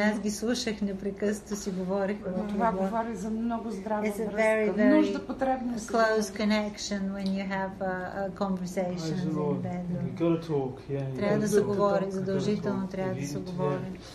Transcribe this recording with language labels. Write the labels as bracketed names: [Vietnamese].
[Bulgarian] Аз ги слушах непрекъснато, си говорих. Това говори за много здрава връзка. Нужда, потребност. [English] It's a very, very close connection when you have a conversation in bed. [Bulgarian] Трябва да се говори, задължително трябва да се говори.